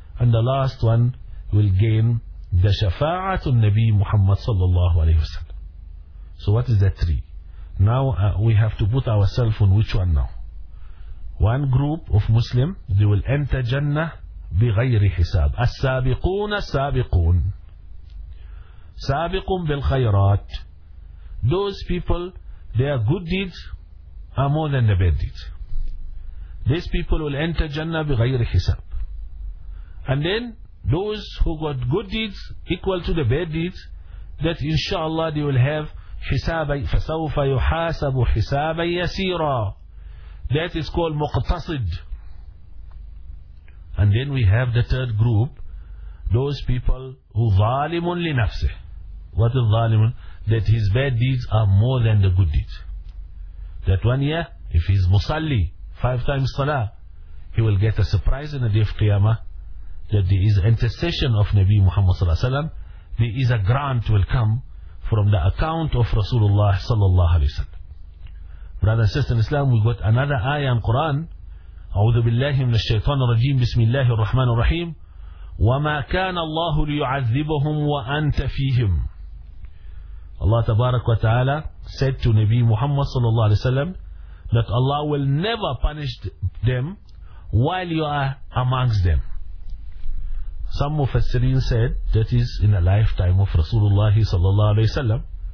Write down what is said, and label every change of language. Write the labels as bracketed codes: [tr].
[en] And the last one will gain the Shafa'atun Nabi Muhammad sallallahu alayhi wasallam. So what is that three? Now we have to put ourselves on which one now? One group of Muslim, they will enter Jannah بغير حساب. [ar] السابقون السابقون سابقون بالخيرات. [en] Those people, their good deeds are more than the bad deeds. These people will enter Jannah بغير حساب. And then those who got good deeds equal to the bad deeds, that inshallah they will have [ar] حسابا فسوف يحاسب حسابا يسيرا. [en] That is called مقتصد. And then we have the third group, those people who ظالمون لنفسه. What is ظالمون? That his bad deeds are more than the good deeds. That one year, if he's مصلي 5 times salah, he will get a surprise in the day of Qiyamah, that there is intercession of Nabi Muhammad sallallahu alaihi wasallam. There is a grant will come from the account of Rasulullah sallallahu alaihi wasallam. Brother and sister in Islam, we got another ayah in Quran. [ar] أعوذ بالله من الشيطان الرجيم بسم الله الرحمن الرحيم وما كان الله ليعذبهم وأنت فيهم. [en] الله تبارك وتعالى said to Nabi Muhammad صلى الله عليه وسلم that Allah will never punish them while you are amongst them. Some مفسرين said that is in the lifetime of Rasulullah صلى الله عليه وسلم.